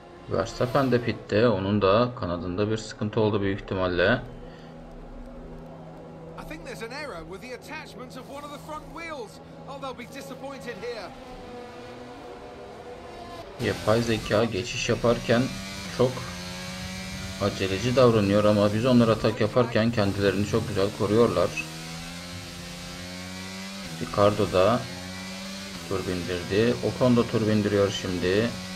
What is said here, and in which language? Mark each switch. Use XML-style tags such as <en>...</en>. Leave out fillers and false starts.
<tr>Verstappen de pitte, onun da kanadında bir sıkıntı oldu büyük ihtimalle.</tr> <en>I think there's an error with the attachment of one of the front wheels. Oh, they'll be disappointed here.</en> <tr>Yapay zeka geçiş yaparken çok aceleci davranıyor ama biz onlara atak yaparken kendilerini çok güzel koruyorlar. Ricardo da tur bindirdi. Ocon da tur bindiriyor şimdi.</tr>